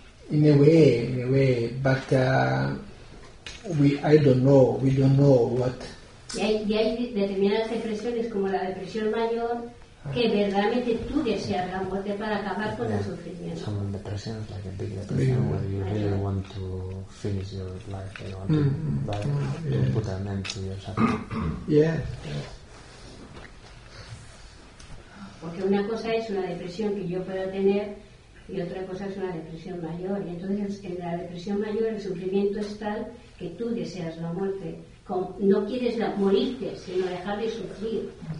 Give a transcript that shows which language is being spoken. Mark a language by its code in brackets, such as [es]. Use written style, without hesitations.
[en] In a way, but we don't know what. [es] Y hay determinadas depresiones como la depresión mayor que verdaderamente tú deseas la muerte para acabar con el sufrimiento. [en] Some depressions, like a big depression, where you really want to finish your life, you want to die, to put an end to your suffering. [es] Porque una cosa es una depresión que yo pueda tener y otra cosa es una depresión mayor. Y entonces en la depresión mayor el sufrimiento es tal que tú deseas la muerte, no quieres morirte, sino dejar de sufrir.